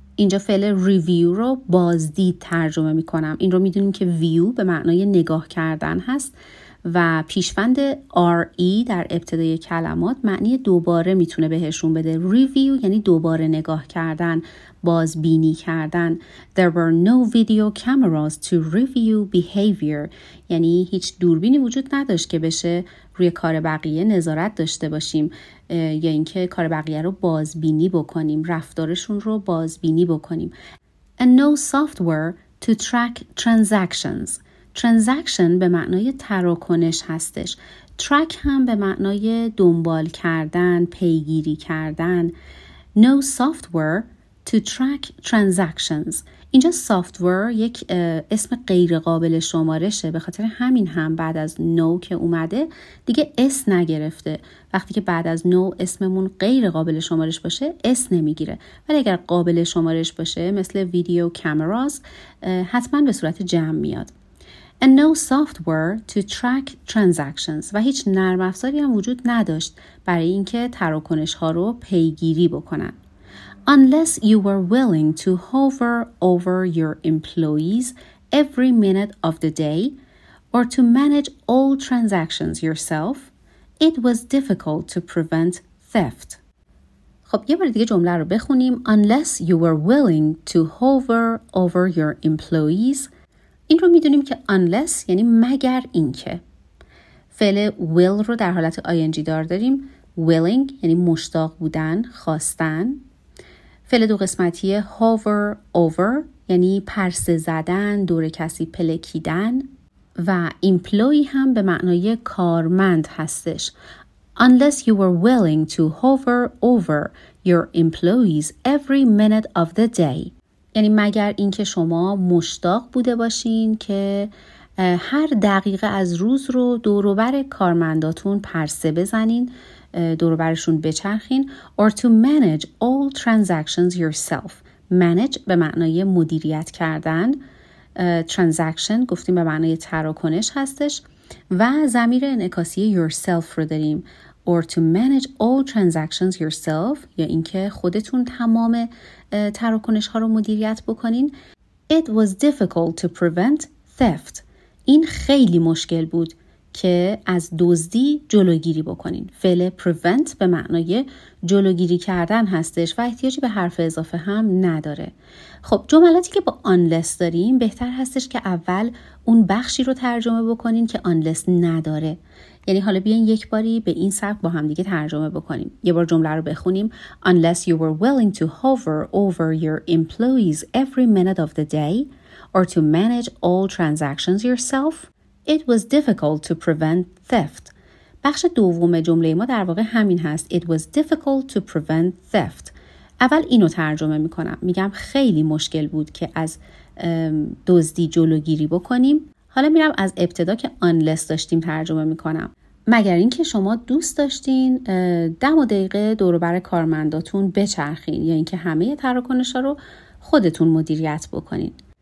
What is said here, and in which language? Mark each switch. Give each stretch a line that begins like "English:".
Persian: اینجا فعل review رو بازدید ترجمه میکنم. این رو میدونیم که view به معنای نگاه کردن هست. و پیشوند re در ابتدای کلمات معنی دوباره میتونه بهشون بده. review یعنی دوباره نگاه کردن، بازبینی کردن.
English: There were no video cameras to review behavior.
Persian: یعنی هیچ دوربینی وجود نداشت که بشه روی کار بقیه نظارت داشته باشیم یا اینکه کار بقیه رو بازبینی بکنیم، رفتارشون رو بازبینی بکنیم.
English: And no software to track transactions.
Persian: ترانزکشن به معنای تراکنش هستش. ترک هم به معنای دنبال کردن، پیگیری کردن.
English: No software to track transactions.
Persian: اینجا software یک اسم غیر قابل شمارشه. به خاطر همین هم بعد از no که اومده دیگه s نگرفته. وقتی که بعد از no اسممون غیر قابل شمارش باشه s نمیگیره. ولی اگر قابل شمارش باشه مثل video cameras حتما به صورت جمع میاد.
English: And no software to track transactions.
Persian: و هیچ نرم افزاری هم وجود نداشت برای اینکه تراکنش ها رو پیگیری بکنن.
English: Unless you were willing to hover over your employees every minute of the day or to manage all transactions yourself, it was difficult to prevent theft.
Persian: خب یه بار دیگه جمله رو بخونیم.
English: Unless you were willing to hover over your employees.
Persian: این رو میدونیم که unless یعنی مگر اینکه. فعل will رو در حالت ing دار داریم. willing یعنی مشتاق بودن، خواستن. فعل دو قسمتی hover over یعنی پرسه زدن، دور کسی پلکیدن. و employee هم به معنای کارمند هستش.
English: Unless you were willing to hover over your employees every minute of the day.
Persian: یعنی مگر اینکه شما مشتاق بوده باشین که هر دقیقه از روز رو دوروبر کارمنداتون پرسه بزنین، دوروبرشون بچرخین.
English: or to manage all transactions yourself.
Persian: manage به معنای مدیریت کردن، transaction گفتیم به معنای تراکنش هستش و ضمیر انعکاسی yourself رو داریم.
English: or to manage all transactions yourself
Persian: یا اینکه خودتون تمام تراکنش ها رو مدیریت بکنین.
English: it was difficult to prevent theft.
Persian: این خیلی مشکل بود که از دزدی جلوگیری بکنین. فعل prevent به معنای جلوگیری کردن هستش و احتیاجی به حرف اضافه هم نداره. خب جملاتی که با unless داریم بهتر هستش که اول اون بخشی رو ترجمه بکنین که unless نداره. یعنی حالا بیاین یک باری به این سبک با هم دیگه ترجمه بکنیم. یه بار جمله رو بخونیم. Unless you were willing to hover over your employees every minute of the day or to manage all transactions yourself, it was difficult to prevent theft. بخش دوم جمله ما در واقع همین هست.
English: It was difficult to prevent theft.
Persian: اول اینو ترجمه میکنم. میگم خیلی مشکل بود که از دزدی جلوگیری بکنیم. حالا میرم از ابتدا که unless داشتیم ترجمه میکنم. مگر اینکه شما دوست داشتین 10 دقیقه دوروبر کارمنداتون بچرخین یا اینکه همه تراکنشا رو خودتون مدیریت بکنین.